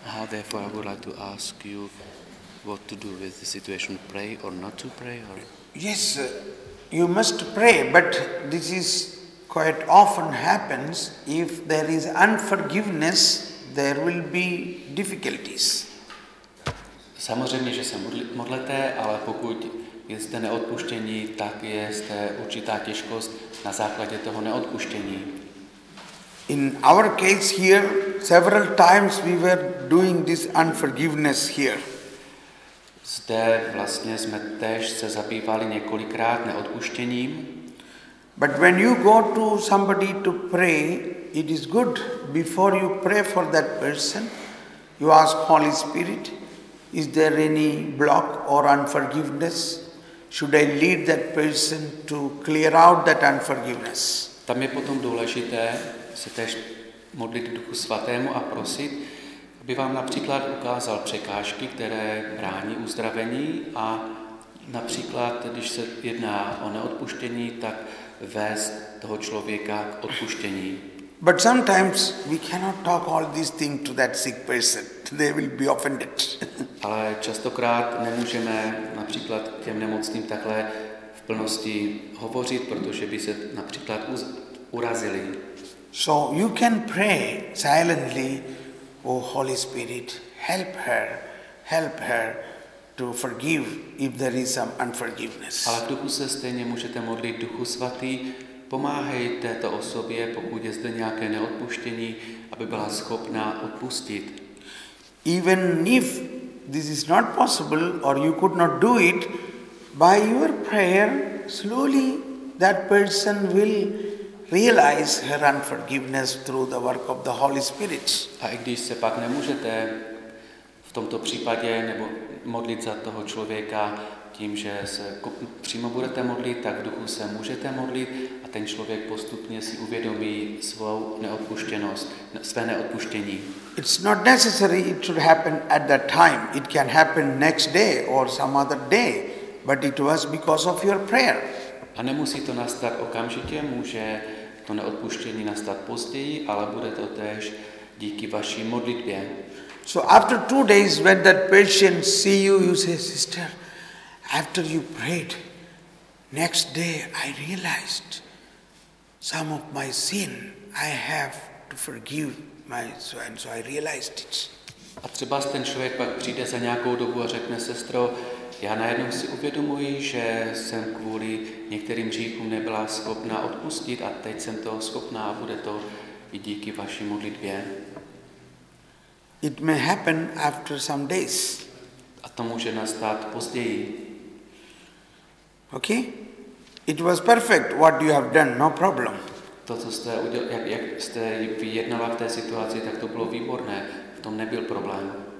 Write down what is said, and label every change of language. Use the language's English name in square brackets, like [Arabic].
[English] Therefore, I would like to ask you what to do with the situation, pray or not to pray? Or? Yes, you must pray, but this is quite often happens. If there is unforgiveness, there will be difficulties. [Czech] Samozřejmě, že se modlete, ale pokud je zde neodpuštění, tak je zde určitá těžkost na základě toho neodpuštění. [English] In our case here, several times we were doing this unforgiveness here. [Czech] Zde vlastně jsme též se zabývali několikrát neodpuštěním. [English] But when you go to somebody to pray, it is good before you pray for that person, you ask Holy Spirit, is there any block or unforgiveness? Should I lead that person to clear out that unforgiveness? [Czech] Tam je potom důležité se též modlit Duchu Svatému a prosit, aby vám například ukázal překážky, které brání uzdravení, a například, když se jedná o neodpuštění, tak vést toho člověka k odpuštění. [English] But sometimes we cannot talk all these things to that sick person. They will be offended. [Czech] Ale častokrát nemůžeme například těm nemocným takhle v plnosti hovořit, protože by se například urazili. [English] So you can pray silently, O Holy Spirit, help her to forgive if there is some unforgiveness. [Czech] Ale v duchu se stejně můžete modlit, Duchu svatý, pomáhej této osobě, pokud je zde nějaké neodpuštění, aby byla schopná odpustit. [English] Even if this is not possible or you could not do it, by your prayer, slowly that person will realize her unforgiveness through the work of the Holy Spirit. [Czech] A i když se pak nemůžete v tomto případě nebo modlit za toho člověka, tím, že se přímo budete modlit, tak v duchu se můžete modlit a ten člověk postupně si uvědomí svou neodpuštěnost, své neodpuštění. [English] It's not necessary it should happen at that time. It can happen next day or some other day, but it was because of your prayer. [Czech] A nemusí to nastat okamžitě, může to neodpuštění nastat později, ale bude to též díky vaší modlitbě. [English] So after 2 days, when that patient see you, you say, sister, after you prayed, next day I realized some of my sin, I have to forgive my so and so, I realized it. [Czech] A třeba ten člověk pak přijde za nějakou dobu a řekne, sestro, já najednou si uvědomuji, že jsem kvůli některým hříchům nebyla schopná odpustit a teď jsem toho schopná a bude to i díky vaší modlitbě. [English] It may happen after some days. [Czech] A to může nastat později. [English] Okay? It was perfect what you have done, no problem. [Czech] To, co jste udělal, jak jste vyjednala v té situaci, tak to bylo výborné, v tom nebyl problém.